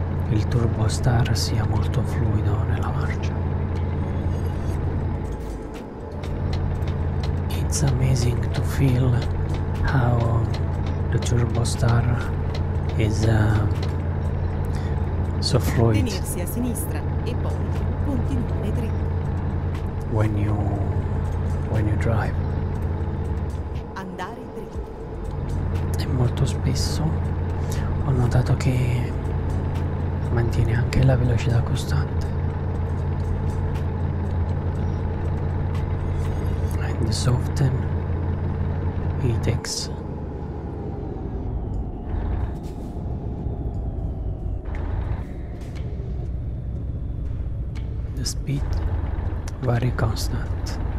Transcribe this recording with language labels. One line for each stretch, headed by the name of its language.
Italian: Il turbo star sia molto fluido nella marcia.
English: It's amazing to feel how the turbo star is so fluid.
Italian: Tenersi a sinistra e poi continuare dritto.
English: When you drive.
Italian: Andare dritto. E molto spesso ho notato che mantiene anche la velocità costante.
English: And so often he takes the speed very constant.